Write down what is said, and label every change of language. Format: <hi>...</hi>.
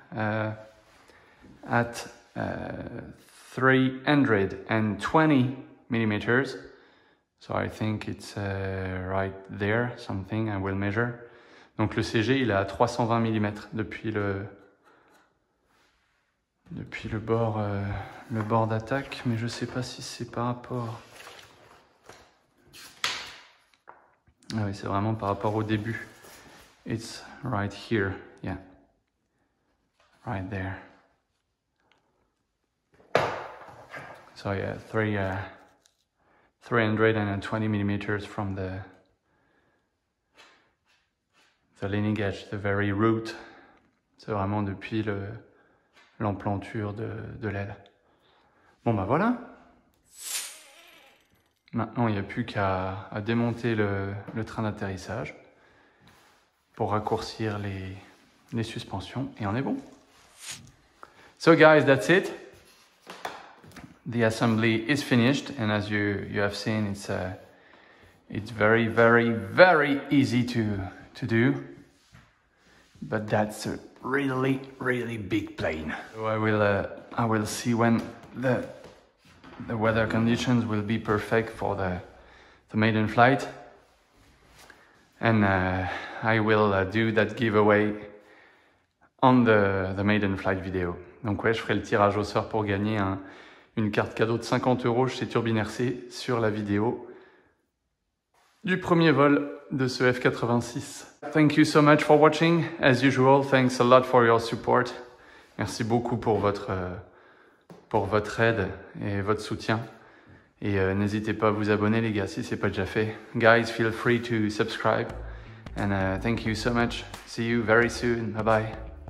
<en>at 320 millimeters, so I think it's right there, something I will measure.</en> <fr>Donc le CG, il est à 320 millimètres depuis le bord le bord d'attaque, mais je sais pas si c'est par rapport. Ah oui, c'est vraiment par rapport au début.</fr> <en>It's right here, yeah. Right there. So yeah, 320 millimeters from the leaning edge, the very root.</en> <fr>C'est vraiment depuis l'emplanture de l'aile. Bon bah voilà. Maintenant il n'y a plus qu'à démonter le train d'atterrissage pour raccourcir les suspensions et on est bon.</fr> <en>So guys, that's it. The assembly is finished, and as you have seen, it's very, very, very easy to do. But that's a really, really big plane. So I will see when the weather conditions will be perfect for the maiden flight, and I will do that giveaway on the maiden flight video.</en> <fr>Donc ouais, je ferai le tirage au sort pour gagner une carte cadeau de 50€ chez Turbines-RC sur la vidéo du premier vol de ce F-86.</fr> <en>Thank you so much for watching. As usual, thanks a lot for your support.</en> <fr>Merci beaucoup pour votre aide et votre soutien. Et n'hésitez pas à vous abonner les gars si c'est pas déjà fait.</fr> <en>Guys, feel free to subscribe. And thank you so much. See you very soon. Bye bye.</en>